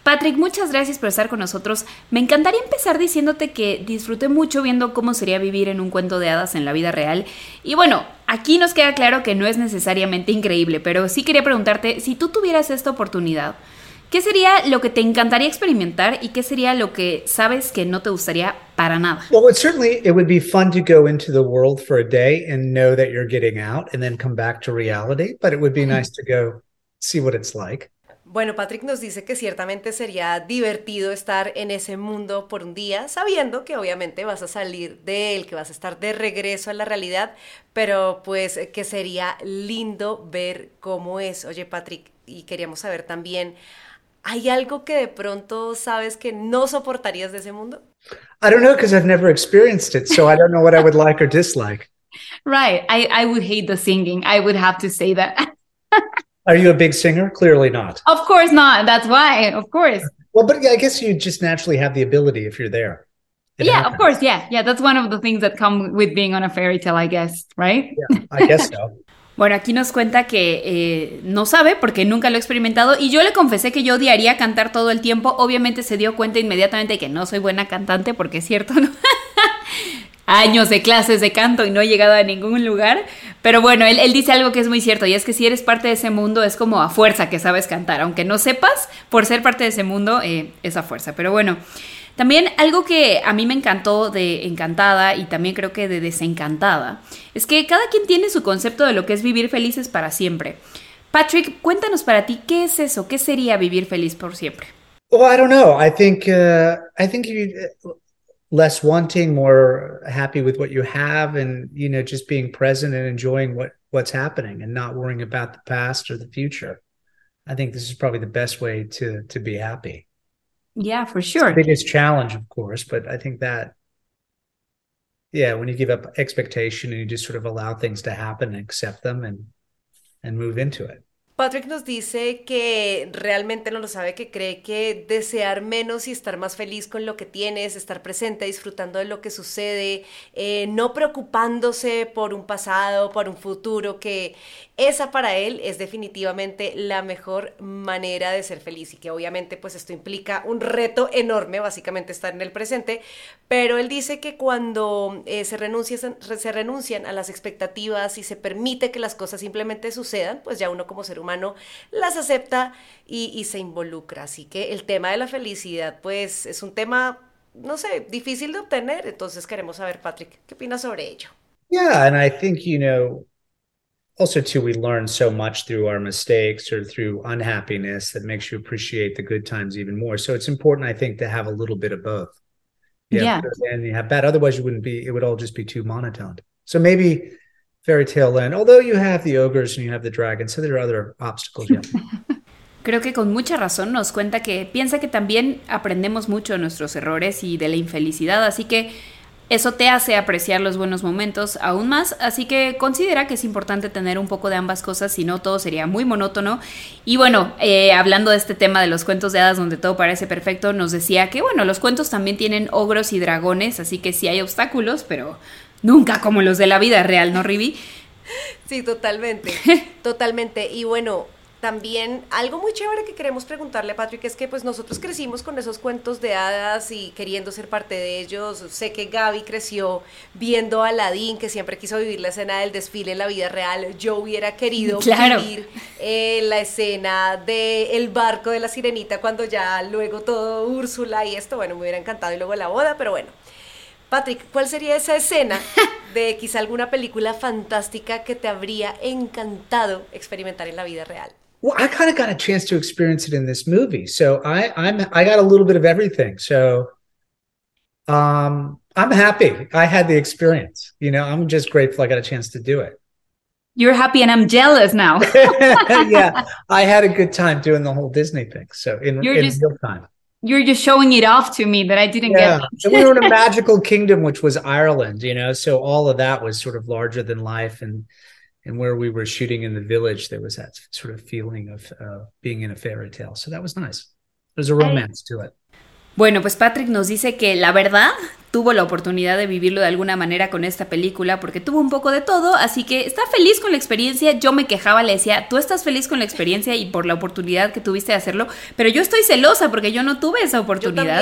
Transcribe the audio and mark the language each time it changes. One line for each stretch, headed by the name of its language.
Spanish: Patrick, muchas gracias por estar con nosotros. Me encantaría empezar diciéndote que disfruté mucho viendo cómo sería vivir en un cuento de hadas en la vida real. Y bueno, aquí nos queda claro que no es necesariamente increíble, pero sí quería preguntarte, si tú tuvieras esta oportunidad, ¿qué sería lo que te encantaría experimentar y qué sería lo que sabes que no te gustaría para nada?
English: Well, certainly it would be fun to go into the world for a day and know that you're getting out and then come back to reality, but it would be nice to go see what it's like.
Spanish: Bueno, Patrick nos dice que ciertamente sería divertido estar en ese mundo por un día, sabiendo que obviamente vas a salir de él, que vas a estar de regreso a la realidad, pero pues que sería lindo ver cómo es. Oye, Patrick, y queríamos saber también, ¿hay algo que de pronto sabes que no soportarías de ese mundo?
English: I don't know, because I've never experienced it, so I don't know what I would like or dislike. Right, I would hate the singing, I would have to say that. Are you a big singer? Clearly not. Of course not. That's why. Of course. Well, but yeah, I guess you just naturally have the ability if you're there. Yeah, of course. Yeah. Yeah. That's one of the things that come with being on a fairy tale, I guess. Right? Yeah, I guess so.
Spanish: Bueno, aquí nos cuenta que no sabe porque nunca lo ha experimentado. Y yo le confesé que yo odiaría cantar todo el tiempo. Obviamente se dio cuenta inmediatamente que no soy buena cantante porque es cierto, ¿no? Años de clases de canto y no he llegado a ningún lugar. Pero bueno, él dice algo que es muy cierto y es que si eres parte de ese mundo es como a fuerza que sabes cantar. Aunque no sepas, por ser parte de ese mundo es a fuerza. Pero bueno, también algo que a mí me encantó de Encantada y también creo que de Desencantada es que cada quien tiene su concepto de lo que es vivir felices para siempre. Patrick, cuéntanos para ti, ¿qué es eso? ¿Qué sería vivir feliz por siempre?
English: Well, I don't know. I think if you... less wanting, more happy with what you have, and you know, just being present and enjoying what's happening and not worrying about the past or the future. I think this is probably the best way to be happy. Yeah, for sure. It's the biggest challenge, of course, but I think that, yeah, when you give up expectation and you just sort of allow things to happen and accept them and move into it.
Spanish: Patrick nos dice que realmente no lo sabe, que cree que desear menos y estar más feliz con lo que tienes, estar presente, disfrutando de lo que sucede, no preocupándose por un pasado, por un futuro, que esa para él es definitivamente la mejor manera de ser feliz y que obviamente pues esto implica un reto enorme, básicamente estar en el presente, pero él dice que cuando se renuncian a las expectativas y se permite que las cosas simplemente sucedan, pues ya uno como ser humano las acepta y se involucra. Así que el tema de la felicidad, pues, es un tema, no sé, difícil de obtener. Entonces queremos saber, Patrick, ¿qué opinas sobre ello?
English: Yeah, and I think, you know, also too, we learn so much through our mistakes or through unhappiness that makes you appreciate the good times even more. So it's important, I think, to have a little bit of both. Yeah. And you have bad, otherwise you wouldn't be, it would all just be too monotoned. So maybe... fairy tale land, although you have the ogres and you have the dragons, so there are other obstacles. Yeah.
Spanish: Creo que con mucha razón nos cuenta que piensa que también aprendemos mucho de nuestros errores y de la infelicidad, así que eso te hace apreciar los buenos momentos aún más, así que considera que es importante tener un poco de ambas cosas, si no todo sería muy monótono. Y bueno, hablando de este tema de los cuentos de hadas donde todo parece perfecto, nos decía que bueno, los cuentos también tienen ogros y dragones, así que sí hay obstáculos, pero... nunca como los de la vida real, ¿no, Rivi? Sí, totalmente, totalmente. Y bueno, también algo muy chévere que queremos preguntarle a Patrick es que pues nosotros crecimos con esos cuentos de hadas y queriendo ser parte de ellos. Sé que Gaby creció viendo a Aladdin, que siempre quiso vivir la escena del desfile en la vida real. Yo hubiera querido vivir la escena del barco de la sirenita cuando ya luego todo Úrsula y esto, bueno, me hubiera encantado y luego la boda, pero bueno. Patrick, ¿cuál sería esa escena de quizá alguna película fantástica que te habría encantado experimentar en la vida real?
English: Well, I kind of got a chance to experience it in this movie. So I got a little bit of everything. So I'm happy I had the experience. You know, I'm just grateful I got a chance to do it. You're happy and I'm jealous now. Yeah, I had a good time doing the whole Disney thing. So in real time. You're just showing it off to me that I didn't get that. We were in a magical kingdom, which was Ireland, you know, so all of that was sort of larger than life. And where we were shooting in the village, there was that sort of feeling of being in a fairy tale. So that was nice. There's a romance to it.
Spanish: Bueno, pues Patrick nos dice que la verdad tuvo la oportunidad de vivirlo de alguna manera con esta película porque tuvo un poco de todo, así que está feliz con la experiencia. Yo me quejaba, le decía, tú estás feliz con la experiencia y por la oportunidad que tuviste de hacerlo, pero yo estoy celosa porque yo no tuve esa oportunidad.